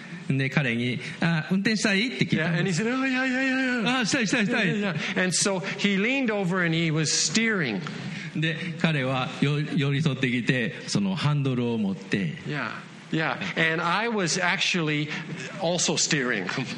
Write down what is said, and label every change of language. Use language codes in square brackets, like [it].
[ja] で彼にあ運転したいって聞いた。 [en] Yeah, and he said, "Oh yeah, yeah, yeah." [ja] あしたい。 [en] Yeah, yeah, yeah. And so he leaned over and he was steering. [ja] で彼は寄り添ってきてそのハンドルを持って。 [en] Yeah. Yeah, and I was actually also steering.